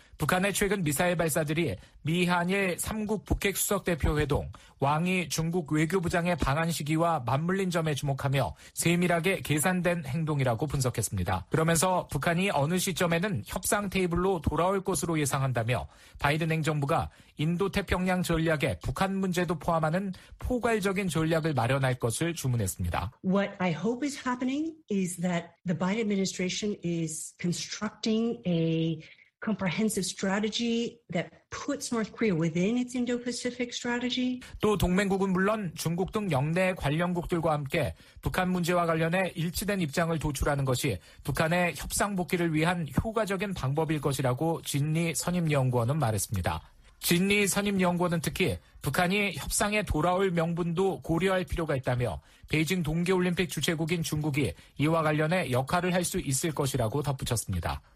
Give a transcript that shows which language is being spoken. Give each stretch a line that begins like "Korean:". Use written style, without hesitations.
Korean: 북한의 최근 미사일 발사들이 미한일 3국 북핵수석대표 회동, 왕이 중국 외교부장의 방한 시기와 맞물린 점에 주목하며 세밀하게 계산된 행동이라고 분석했습니다. 그러면서 북한이 어느 시점에는 협상 테이블로 돌아올 것으로 예상한다며 바이든 행정부가 인도태평양 전략에 북한 문제도 포함하는 포괄적인 전략을 마련할 것을 주문했습니다.
English: What I hope is happening is that the Biden administration is constructing a comprehensive strategy that puts North Korea within its Indo-Pacific strategy.
Korean: 또 동맹국은 물론 중국 등 역내 관련국들과 함께 북한 문제와 관련해 일치된 입장을 도출하는 것이 북한의 협상 복귀를 위한 효과적인 방법일 것이라고 진리 선임연구원은 말했습니다. 진리 선임연구원은 특히 북한이 협상에 돌아올 명분도 고려할 필요가 있다며 베이징 동계올림픽 주최국인 중국이 이와 관련해 역할을 할 수 있을 것이라고 덧붙였습니다.